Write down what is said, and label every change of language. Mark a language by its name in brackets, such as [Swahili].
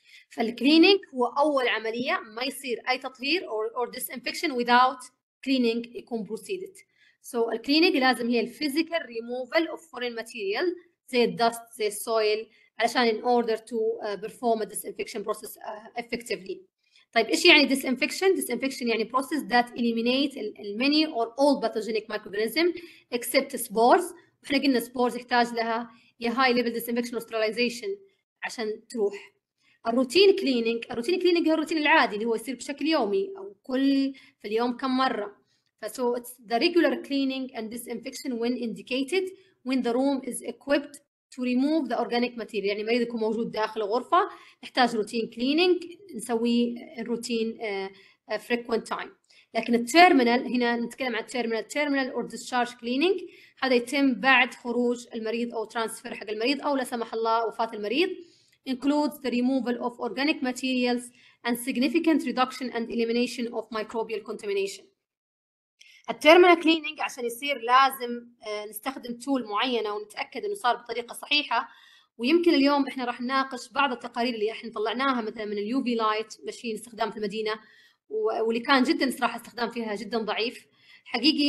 [Arabic] فالكليننج هو اول عمليه، ما يصير اي تطهير او ديس انفكشن ويزاوت كليننج يكون بروسيدد. [English] so الكليننج [Arabic] لازم هي [English] الفيزيكال removal of foreign material زي الدست زي السويل، علشان in order to perform a disinfection process effectively. [Arabic] طيب ايش يعني [English] disinfection؟ disinfection يعني process that eliminates many or all pathogenic microorganisms except spores. [Arabic] احنا قلنا spores يحتاج لها يا [English] high level disinfection or sterilization [Arabic] عشان تروح. الروتين كليننج، الروتين كليننج هو الروتين العادي اللي هو يصير بشكل يومي او كل في اليوم كم مره. [English] فسو it's the regular cleaning and disinfection when indicated when the room is equipped to remove the organic material. [Arabic] يعني مريض يكون موجود داخل غرفة نحتاج روتين كليننج، نسوي الروتين frequent time. لكن التيرمينال، هنا نتكلم عن التيرمينال، التيرمينال [English] or discharge cleaning [Arabic] هذا يتم بعد خروج المريض أو transfer حق المريض أو لا سمح الله وفاة المريض. [English] includes the removal of organic materials and significant reduction and elimination of microbial contamination. [Arabic] التيرمينال كليننج عشان يصير لازم نستخدم تول معينه ونتاكد انه صار بطريقه صحيحه. ويمكن اليوم احنا راح نناقش بعض التقارير اللي احنا طلعناها، مثلا من اليو في لايت ماشين استخدام في المدينه، واللي كان جدا صراحه استخدام فيها جدا ضعيف حقيقي.